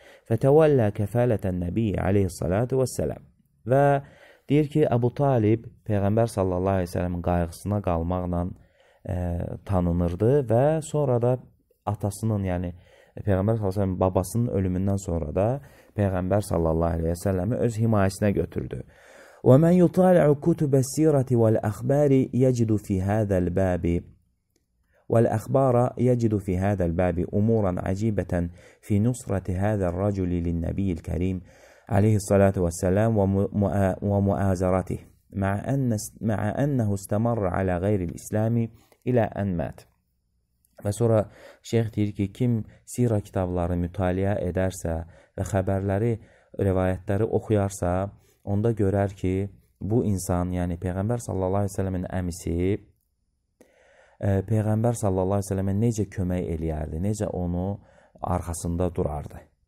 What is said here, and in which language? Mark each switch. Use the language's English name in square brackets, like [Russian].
[Arabic] Fətəvəllə kəfələtən nəbiyyə aleyhissalatu və sələm. [Azerbaijani] Və deyir ki, Əbu Talib Peyğəmbər sallallahu aleyhi sələmin qayğısına qalmaqla tanınırdı və sonra da atasının, yəni Peyğəmbər sallallahu aleyhi sələmin babasının ölümündən sonra da Peyğəmbər sallallahu aleyhi sələmi öz himayəsinə götürdü. [Arabic] Və mən yutalı'u kütübəs sirəti vəl əxbəri yəcidu fi hədəl bəbi. والأخبار يجد في هذا الباب أمورا عجيبة في نصرة هذا الرجل للنبي الكريم عليه الصلاة والسلام ومؤازرته مع أنه استمر على غير الإسلام إلى أن مات. وسورة شيخ [Azerbaijani] deyir ki, kim sira kitabları mütaliə edərsə və xəbərləri, rivayətləri oxuyarsa, onda görər ki, bu insan, yəni Peyğəmbər sallallahu aleyhi ve sellemin əmisi Peyğəmbər sallallahu aleyhi ve sellemə necə kömək eləyərdi, necə onu arxasında durardı.